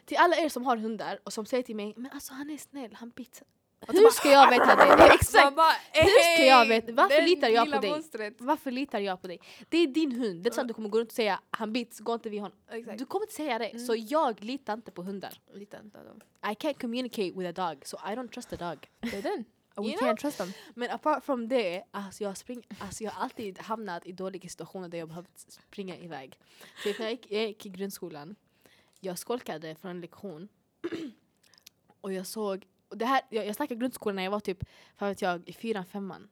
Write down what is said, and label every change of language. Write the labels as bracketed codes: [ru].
[sv] Till alla er som har hundar och som säger till mig, men alltså han är snäll, han bits. Hur ska jag veta det? Exakt. Hur ska jag veta? Varför litar jag på dig? Det är din hund. Det är så att du kommer gå runt och säga, han bits, gå inte vid honom. Exakt. Du kommer inte säga det. Mm. Så jag litar inte på hundar. Litar inte på dem. [en] I can't communicate with a dog, so I don't trust a dog. [sv] Det är den. [en] We can't trust them. [sv] Men [en] apart from [sv] det, alltså jag har alltid hamnat i dåliga situationer där jag behövt springa iväg. Så jag gick i grundskolan. Jag skolkade från en lektion. Och jag såg, och det här, jag snackade grundskolan när jag var typ, för att jag i 4-5.